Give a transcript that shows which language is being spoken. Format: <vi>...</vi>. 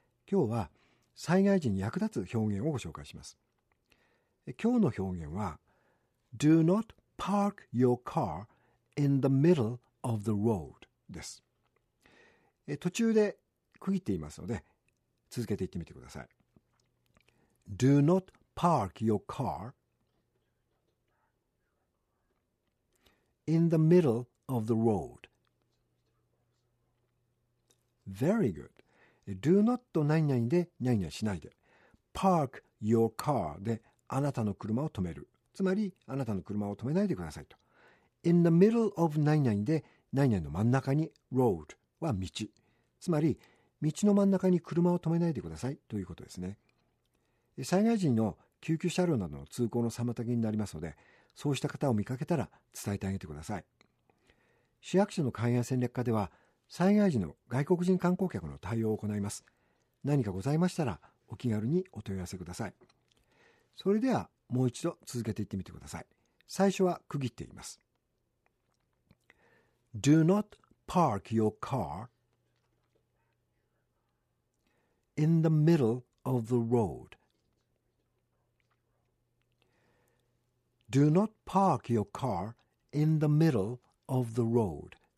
<ja>今日は災害時に役立つ表現をご紹介します。今日の表現は、</ja> <en>Do not park your car in the middle of the road</en> <ja>です。途中で区切っていますので、続けていってみてください。</ja> <en>Do not park your car in the middle of the road. Very good. Do not</en> <ja>と何々で何々しないで。</ja> <en>Park your car</en> <ja>であなたの車を止める。つまり、あなたの車を止めないでくださいと。</ja> <en>In the middle of</en> <ja>何々で何々の真ん中に road は道。つまり、道の真ん中に車を止めないでくださいということですね。災害時の救急車両などの通行の妨げになりますので、そうした方を見かけたら伝えてあげてください。市役所の海岸戦略課では、災害時の外国人観光客の対応を行います。何かございましたら、お気軽にお問い合わせください。それでは、もう一度続けていってみてください。最初は区切っています。</ja> <en>Do not park your car in the middle of the road. Do not park your car in the middle of the road.</en>